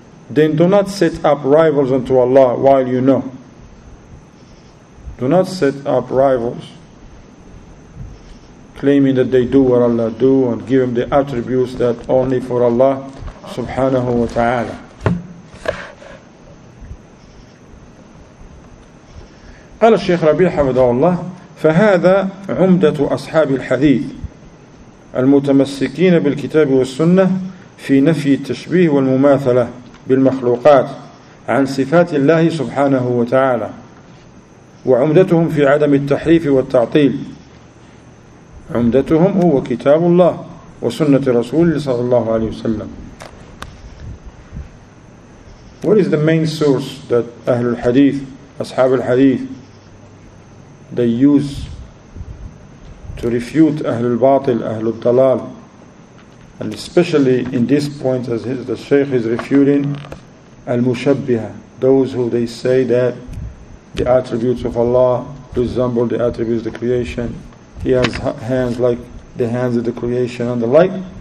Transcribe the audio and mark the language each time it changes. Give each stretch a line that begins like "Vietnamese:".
English: Then do not set up rivals unto Allah while you know. Do not set up rivals claiming that they do what Allah do and give them the attributes that only for Allah subhanahu wa ta'ala.
Arabic: قال الشيخ ربيع حفظه الله فهذا عمدة أصحاب الحديث المتمسكين بالكتاب والسنة في نفي التشبيه والمماثلة بالمخلوقات عن صفات الله سبحانه وتعالى وعمدتهم في عدم التحريف والتعطيل. عمدتهم هو كتاب الله وسنة رسول الله صلى الله عليه وسلم.
English: What is the main source that
Arabic: أهل الحديث أصحاب الحديث
English: they use to refute Ahl al-Batil, Ahl al-Dalal, and especially in this point as the Shaykh is refuting al-Mushabbiha, those who they say that the attributes of Allah resemble the attributes of the creation, He has hands like the hands of the creation and the like.